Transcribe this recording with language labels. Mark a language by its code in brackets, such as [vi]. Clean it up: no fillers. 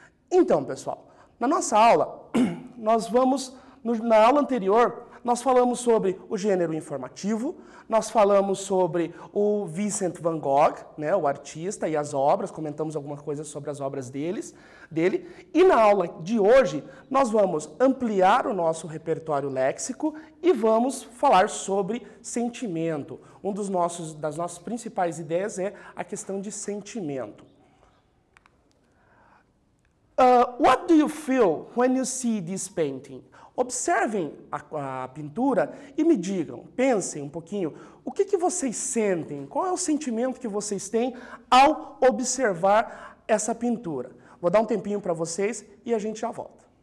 [pt] Então, pessoal, na nossa aula, na aula anterior, nós falamos sobre o gênero informativo, nós falamos sobre o Vincent van Gogh, né, o artista e as obras, comentamos alguma coisa sobre as obras dele. E na aula de hoje, nós vamos ampliar o nosso repertório léxico e vamos falar sobre sentimento. Uma das nossas principais ideias é a questão de sentimento. [en] What do you feel when you see this painting? [pt] Observem a pintura e me digam, pensem um pouquinho, o que vocês sentem? Qual é o sentimento que vocês têm ao observar essa pintura? Vou dar um tempinho para vocês e a gente já volta.